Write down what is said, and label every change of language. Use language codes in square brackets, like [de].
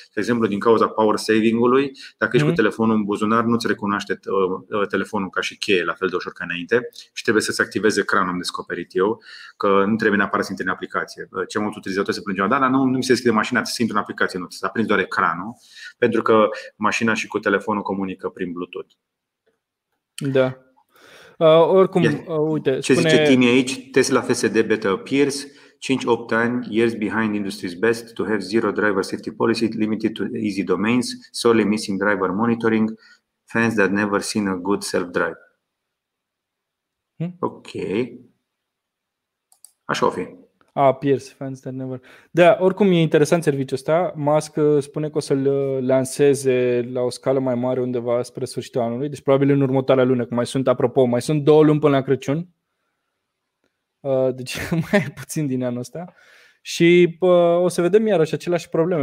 [ro] De exemplu, din cauza power saving-ului, dacă ești cu telefonul în buzunar, nu-ți recunoaște telefonul ca și cheie la fel de ușor ca înainte și trebuie să-ți activeze ecranul, am descoperit eu, că nu trebuie neapărat să intri în aplicație. Cei mulți utilizatori se plângeau, da, dar nu mi se deschide mașina, să intri în aplicație, nu, să aprinzi doar ecranul, pentru că mașina și cu telefonul comunică prin Bluetooth. Da. Oricum, uite, ce spune... zice Timi aici? [en] Tesla FSD beta appears, 5-8 ani, years behind industry's best, to have zero driver safety policy, limited to easy domains, sorely missing driver monitoring, fans that never seen a good self-drive. [ro] Ok. Așa o fi. [en] Appears, fans that never... [ro] Da, oricum e interesant serviciul ăsta. Musk spune că o să-l lanseze la o scală mai mare undeva spre sfârșitul anului, deci probabil în următoarea lună, cum mai sunt, apropo, mai sunt 2 luni până la Crăciun. Deci mai puțin din anul ăsta. Și o să vedem iarăși aceleași probleme.